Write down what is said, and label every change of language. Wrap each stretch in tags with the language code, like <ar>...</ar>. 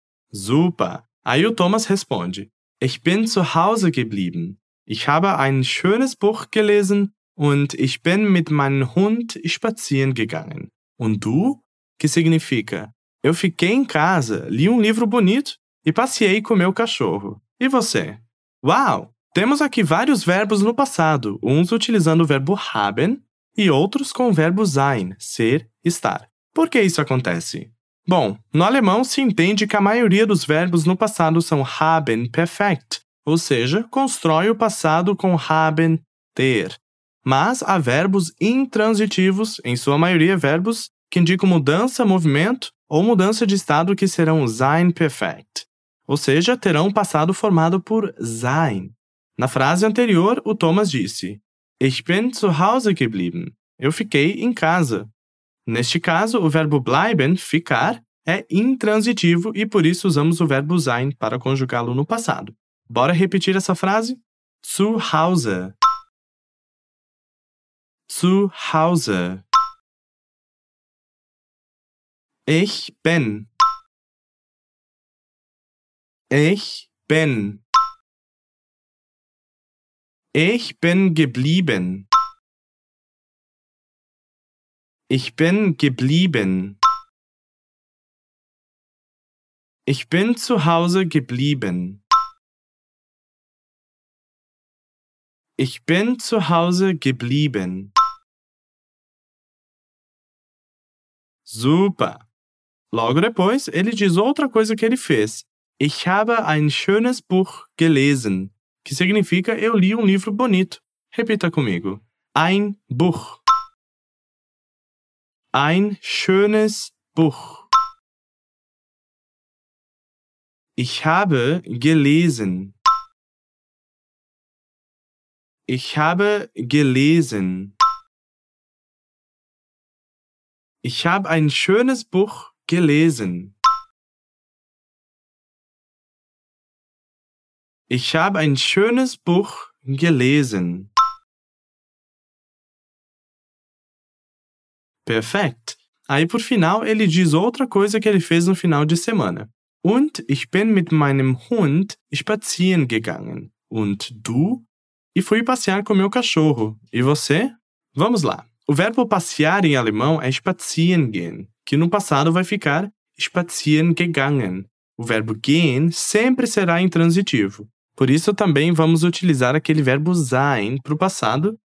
<pt>Super. Aí o Thomas responde.</pt> <de>Ich bin zu Hause geblieben. Ich habe ein schönes Buch gelesen und ich bin mit meinem Hund spazieren gegangen. Und du?</de> <pt>Que significa? Eu fiquei em casa, li um livro bonito e passeei com meu cachorro. E você? Uau! Temos aqui vários verbos no passado, uns utilizando o verbo haben e outros com o verbo sein, ser, estar. Por que isso acontece? Bom, no alemão se entende que a maioria dos verbos no passado são haben perfekt, ou seja, constrói o passado com haben, ter. Mas há verbos intransitivos, em sua maioria verbos, que indicam mudança, movimento ou mudança de estado que serão sein perfekt, ou seja, terão um passado formado por sein. Na frase anterior, o Thomas disse</pt> <de>Ich bin zu Hause geblieben.</de> <pt>Eu fiquei em casa. Neste caso, o verbo bleiben, ficar, é intransitivo e por isso usamos o verbo sein para conjugá-lo no passado. Bora repetir essa frase?</pt> <de>Zu Hause. Zu Hause. Ich bin. Ich bin. Ich bin geblieben. Ich bin geblieben. Ich bin zu Hause geblieben. Ich bin zu Hause geblieben.</de> <pt>Super! Logo depois, ele diz outra coisa que ele fez.</pt> <de>Ich habe ein schönes Buch gelesen.</de> <pt>Que significa eu li um livro bonito. Repita comigo.</pt> <de>Ein Buch. Ein schönes Buch. Ich habe gelesen. Ich habe gelesen. Ich habe ein schönes Buch gelesen. Ich habe ein schönes Buch gelesen. Perfekt.</de> <pt>Aí, por final, ele diz outra coisa que ele fez no final de semana.</pt> <de>Und ich bin mit meinem Hund spazieren gegangen. Und du?</de> <pt>E fui passear com meu cachorro. E você? Vamos lá. O verbo passear em alemão é spazieren gehen, que no passado vai ficar spazieren gegangen. O verbo gehen sempre será intransitivo. Por isso, também vamos utilizar aquele verbo sein para o passado.</pt>